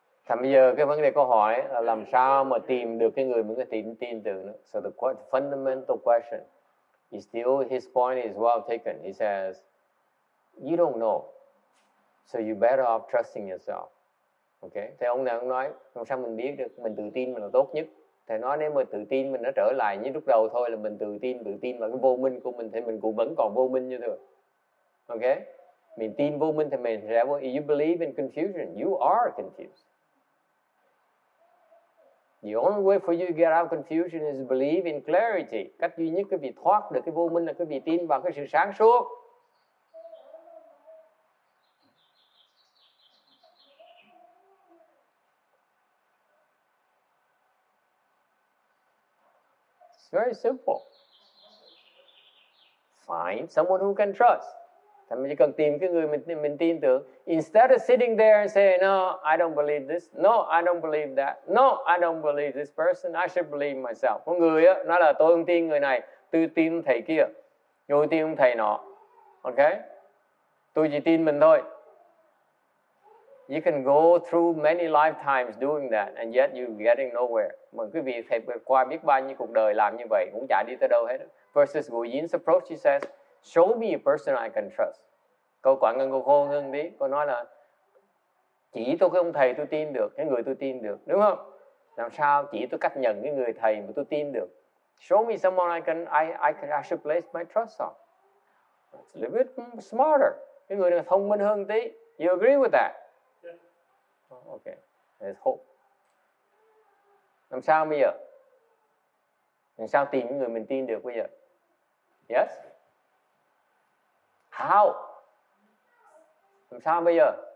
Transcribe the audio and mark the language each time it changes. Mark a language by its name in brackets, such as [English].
[Vietnamese] Thì bây giờ cái vấn đề câu hỏi là làm sao mà tìm được cái người mình có thể tin tưởng nữa. [English] So the fundamental question is still, his point is well taken. He says, you don't know, so you better off trusting yourself. Okay? [Vietnamese] Thì ông này ông nói, làm sao mình biết được mình tự tin mình là tốt nhất. Thì nói nếu mà tự tin mình nó trở lại như lúc đầu thôi là mình tự tin vào cái vô minh của mình thì mình cũng vẫn còn vô minh như thường. Okay? Mình tin vô minh thì mình sẽ, [English] you believe in confusion, you are confused. The only way for you to get out of confusion is to believe in clarity. [Vietnamese] Cách duy nhất quý vị thoát được cái vô minh là quý vị tin vào cái sự sáng suốt. [English] It's very simple. Find someone who can trust. [Vietnamese] Thì mình chỉ cần tìm cái người mình tin tưởng. [English] Instead of sitting there and saying, no, I don't believe this. No, I don't believe that. No, I don't believe this person. I should believe myself. [Vietnamese] Có người á, nói là tôi không tin người này. Tôi tin thầy kia. Tôi tin ông thầy nọ. Ok? Tôi chỉ tin mình thôi. [English] You can go through many lifetimes doing that. And yet you're getting nowhere. [Vietnamese] Mà quý vị phải qua biết bao nhiêu cuộc đời làm như vậy. Cũng chả đi tới đâu hết. [English] Versus Gu Yin's approach, he says, show me a person I can trust. [Vietnamese] Câu quả ngân cô ngân đi. Cô nói là chỉ tôi cái ông thầy tôi tin được, cái người tôi tin được, đúng không? Làm sao chỉ tôi cách nhận cái người thầy mà tôi tin được? [English] Show me someone I should place my trust on. It's a little bit smarter. [Vietnamese] Cái người này thông minh hơn tí. [English] You agree with that? Yeah. Okay. There's hope. [Vietnamese] Làm sao bây giờ? Làm sao tìm người mình tin được bây giờ? [English] Yes. How? [Vietnamese] Làm sao bây giờ?